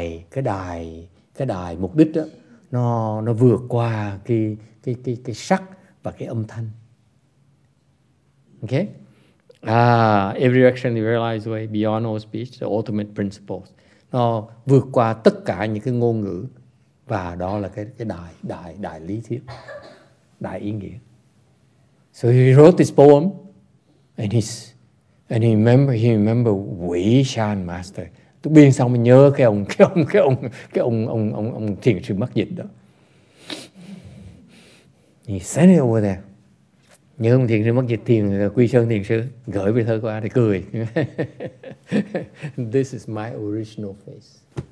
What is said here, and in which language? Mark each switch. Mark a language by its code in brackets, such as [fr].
[vi] Cái đài mục đích đó, nó vượt qua cái sắc và cái âm thanh. [en] Okay? Every action you realize way beyond all speech, the ultimate principles. [vi] Nó vượt qua tất cả những cái ngôn ngữ và đó là cái đài lý thuyết, đài ý nghĩa. [en] So he wrote this poem and he remember Wei Shan Master. [vi] Tôi biên xong mình nhớ cái ông thiền sư mắc dịch đó. [en] He sent it over there. [vi] Nhớ ông thiền sư mắc dịch thiền Quy Sơn thiền sư gửi về thơ qua thì cười. [en] This is my original face.